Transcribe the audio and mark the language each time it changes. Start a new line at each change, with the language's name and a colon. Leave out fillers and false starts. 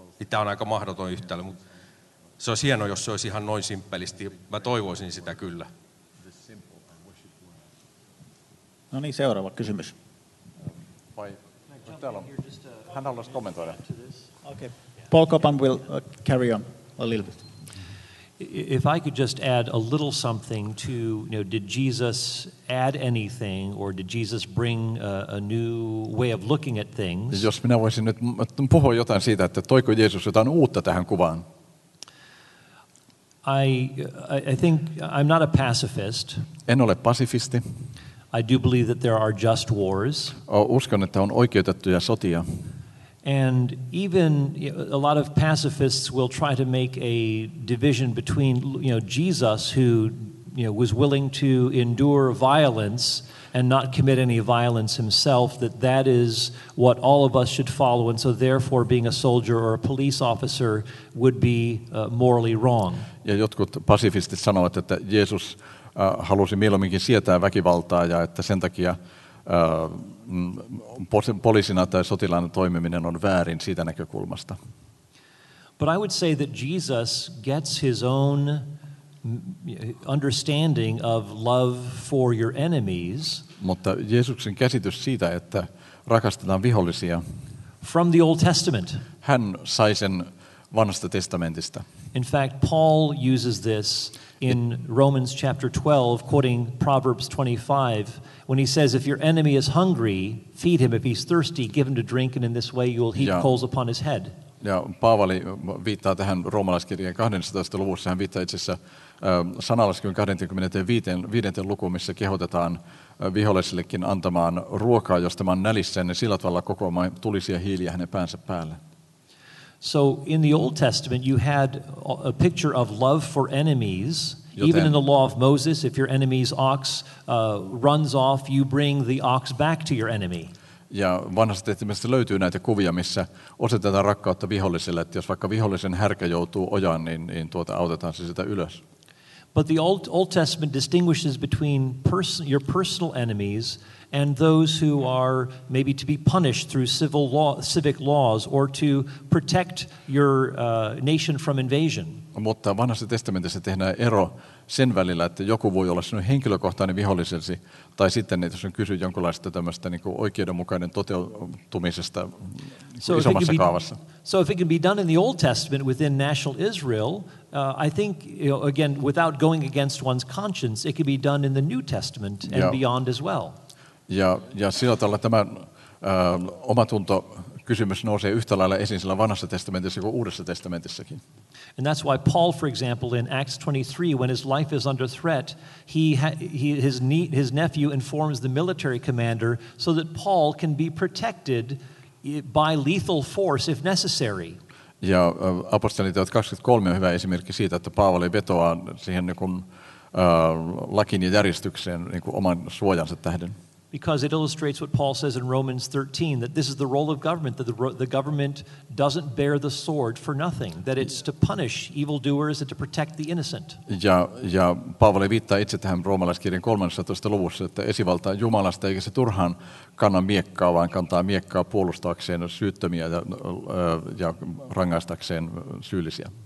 Finnish: Tämä on aika mahdoton yhtälö, mutta se olisi hienoa, jos se olisi ihan noin simppelisti. Mä toivoisin sitä kyllä. No niin, seuraava kysymys. Hän haluaisi kommentoida.
English: Okay. Paul Copan will carry on a little bit. If I could just add a little something to, you know, did Jesus add anything or did Jesus bring a new way of looking at things?
Finnish: Jos minä voisin nyt puhua jotain siitä, että toiko Jeesus jotain uutta tähän kuvaan?
English: I think I'm not a pacifist.
Finnish: En ole pasifisti.
English: I do believe that there are just wars.
Finnish: Uskon, että on oikeutettuja sotia.
English: And even a lot of pacifists will try to make a division between, you know, Jesus, who, you know, was willing to endure violence and not commit any violence himself, that is what all of us should follow, and so therefore being a soldier or a police officer would be morally wrong.
Finnish: Ja jotkut pacifistit sanovat, että Jeesus halusi mieluumminkin sietää väkivaltaa ja että sen takia poliisina tai sotilaana toimiminen on väärin siitä näkökulmasta.
English: But I would say that Jesus gets his own understanding of love for your enemies.
Finnish: Mutta Jeesuksen käsitys siitä, että rakastetaan vihollisia.
English: From the Old Testament.
Finnish: Hän sai sen Vanhasta testamentista.
English: In fact, Paul uses this in Romans chapter 12, quoting Proverbs 25, when he says, if your enemy is hungry, feed him. If he's thirsty, give him to drink, and in this way you will heap coals upon his head.
Finnish: Ja Paavali viittaa tähän roomalaiskirjeen 12. luvussa. Hän viittaa itse asiassa sanalaskun 25. lukuun, missä kehotetaan vihollisillekin antamaan ruokaa, jos tämä on nälissään, niin sillä tavalla kokoamaan tulisia hiiliä hänen päänsä päälle.
English: So in the Old Testament you had a picture of love for enemies. Even in the law of Moses, if your enemy's ox runs off, you bring the ox back to your enemy.
Finnish: Ja Vanhassa testamentissa löytyy näitä kuvia, missä osoitetaan rakkautta viholliselle, että jos vaikka vihollisen härkä joutuu ojaan, niin tuota autetaan se sitä ylös.
English: But the Old Testament distinguishes between your personal enemies and those who are maybe to be punished through civic laws or to protect your nation from invasion.
Finnish: Mutta Vanhassa testamentissa tehdään ero sen välillä, että joku voi olla sinun henkilökohtainen vihollisesi, tai sitten, että jos on kysy jonkinlaista tämmöistä niin kuin oikeudenmukainen toteutumisesta isommassa kaavassa.
English: So if it can be done in the Old Testament within national Israel, I think, you know, again, without going against one's conscience, it can be done in the New Testament and beyond as well.
Finnish: Ja sillä tavalla tämä omatuntokysymys nousee yhtä lailla esiin sillä Vanhassa testamentissa kuin Uudessa testamentissakin.
English: And that's why Paul, for example, in Acts 23, when his life is under threat, his nephew informs the military commander so that Paul can be protected by lethal force if necessary.
Finnish: Ja apostoliteot 23 on hyvä esimerkki siitä, että Paavali vetoaa siihen niin kuin, lakin ja järjestykseen niin kuin oman suojansa tähden.
English: Because it illustrates what Paul says in Romans 13, that this is the role of government, that the government doesn't bear the sword for nothing, that it's to punish evildoers and to protect the innocent.
Finnish: Ja Paavali viittaa itse tähän roomalaiskirjan 13. luvussa, että esivalta on Jumalasta, eikä se turhaan kanna miekkaa, vaan kantaa miekkaa puolustaakseen syyttömiä ja rangaistakseen syyllisiä.